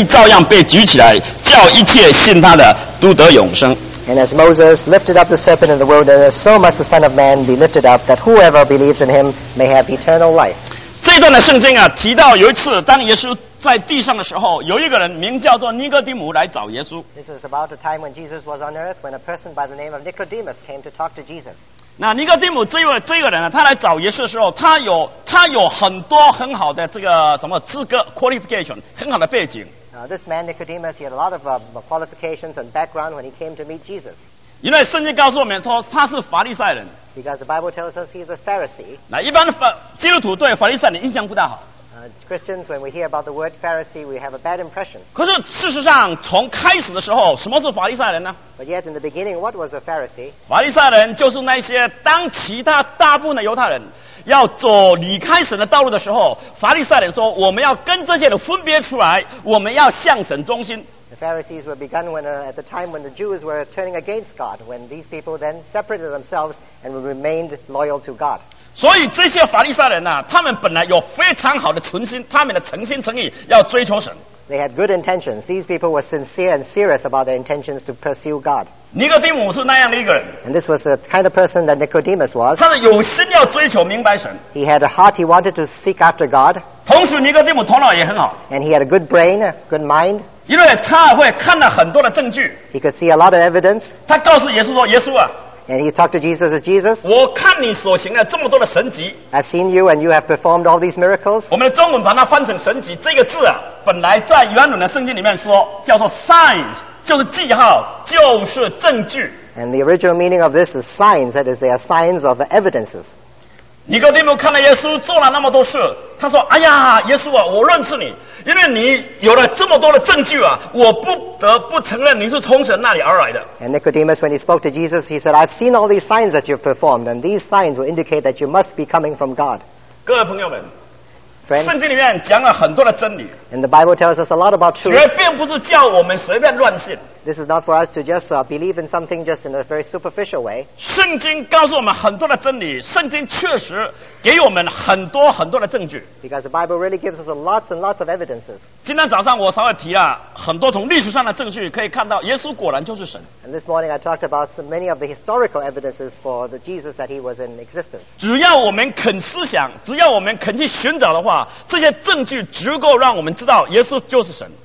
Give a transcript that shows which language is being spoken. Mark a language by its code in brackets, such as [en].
[zh] 照样被举起来，叫一切信他的都得永生。 [en] And as Moses lifted up the serpent in the wilderness, so must the Son of Man be lifted up, that whoever believes in him may have eternal life. [zh] 这段的圣经啊，提到有一次，当耶稣在地上的时候，有一个人名叫做尼哥底母来找耶稣。 [en] This is about the time when Jesus was on earth, when a person by the name of Nicodemus came to talk to Jesus. [zh] 那尼哥底母这个人呢、啊，他来找耶稣的时候，他有很多很好的这个什么资格 qualification， 很好的背景。 [en] This man Nicodemus, he had a lot of qualifications and background when he came to meet Jesus. [zh] 因为圣经告诉我们说他是法利赛人。 [en] Because the Bible tells us he is a Pharisee. [zh] 那一般基督徒对法利赛人印象不大好。 [en] Christians, when we hear about the word Pharisee, we have a bad impression. [zh] 可是事实上，从开始的时候，什么是法利赛人呢 [en] ？But yet in the beginning, what was a Pharisee? [zh] 法利赛人就是那些当其他大部分的犹太人要走离开神的道路的时候，法利赛人说：“我们要跟这些人分别出来，我们要向神忠心。” [en] The Pharisees were begun when, at the time when the Jews were turning against God, when these people then separated themselves and remained loyal to God. [zh] 所以这些法利赛人啊，他们本来有非常好的存心，他们的诚心诚意要追求神。 [en] They had good intentions. These people were sincere and serious about their intentions to pursue God. [zh] 尼哥底母是那样的一个人。 [en] And this was the kind of person that Nicodemus was. [zh] 他是有心要追求明白神。 [en] He had a heart. He wanted to seek after God. [zh] 同时，尼哥底母头脑也很好。 [en] And he had a good brain, a good mind. [zh] 因为他会看到很多的证据。 [en] He could see a lot of evidence. [zh] 他告诉耶稣说：“耶稣啊。” [en] And he talked to Jesus as Jesus. [zh] 我看你所行的这么多的神迹。 [en] I've seen you and you have performed all these miracles. [zh] 我们的中文把它翻成神迹这个字啊。本来在原文的圣经里面说叫做 signs， 就是记号，就是证据。 [en] And the original meaning of this is signs. That is, they are signs of evidences. [zh] 尼哥底母看了耶稣做了那么多事，他说：“哎呀，耶稣啊，我认识你，因为你有了这么多的证据啊，我不得不承认你是从神那里而来的。” [en] And Nicodemus, when he spoke to Jesus, he said, "I've seen all these signs that you've performed, and these signs will indicate that you must be coming from God." [zh] 各位朋友们。 [en] Friends, [zh] 圣经里面讲了很多的真理。 [en] And the Bible tells us a lot about truth. [zh] 绝并不是叫我们随便乱信。 [en] This is not for us to just believe in something just in a very superficial way. [zh] 圣经告诉我们很多的真理，圣经确实给我们很多很多的证据。 [en] Because the Bible really gives us lots and lots of evidences. [zh] 今天早上我稍微提了很多从历史上的证据，可以看到耶稣果然就是神。 [en] And this morning I talked about many of the historical evidences for the Jesus that he was in existence. [zh] 只要我们肯思想，只要我们肯去寻找的话，这些证据足够让我们知道耶稣就是神。